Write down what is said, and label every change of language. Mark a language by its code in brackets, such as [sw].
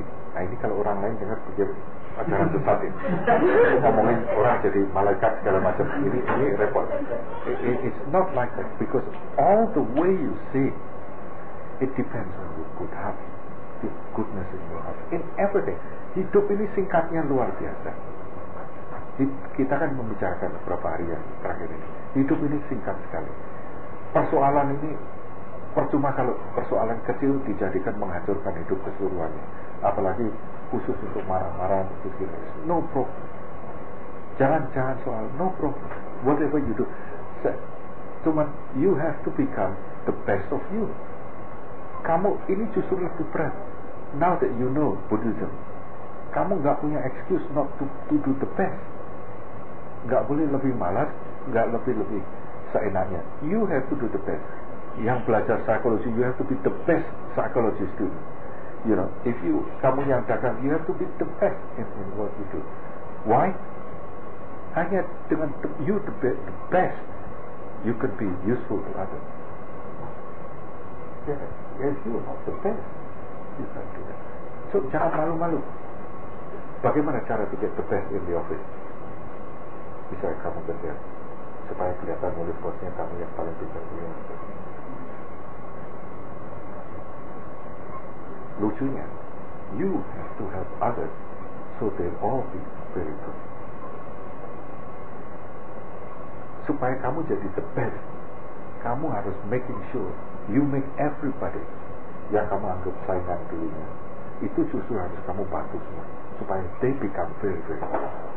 [id] Nah, ini kalau orang lain dengar pikir ajaran sesat ini. Ngomongin orang jadi malaikat segala macam, ini repot. [en] It's not like that, because all the way you see, it depends on your good heart, your goodness in your heart. In everything, [id] hidup ini singkatnya luar biasa. Kita kan membicarakan beberapa hari yang terakhir ini. Hidup ini singkat sekali. Persoalan ini percuma kalau persoalan kecil dijadikan menghancurkan hidup keseluruhannya. Apalagi khusus untuk marah-marah, khusus. [en] No problem. [id] Jangan soal, [en] no problem. Whatever you do, cuman you have to become the best of you. [id] Kamu ini justru lebih berat. [en] Now that you know Buddhism, [id] kamu gak punya [en] excuse not to do the best. [id] Gak boleh lebih malas, gak lebih seenaknya. [en] You have to do the best. [id] Yang belajar psikologi, [en] you have to be the best psychology student. You know, if you [id] kamu yang datang, [en] you have to be the best in what you do. Why? [id] Hanya dengan [en] you the best, you could be useful to others. Yeah, if you are not the best, you can't do that. So [id] jangan malu-malu. Bagaimana cara [en] to get the best in the office? [id] Bisa kamu kerja supaya kelihatan oleh bosnya kamu yang paling pintar di office. [en] Lucunya, you have to help others so they all be very good. [id] Supaya kamu jadi the best, kamu harus [en] making sure you make everybody [id] yang kamu anggap saingan dulunya, itu justru harus kamu bantu semua supaya [en] they become very very good.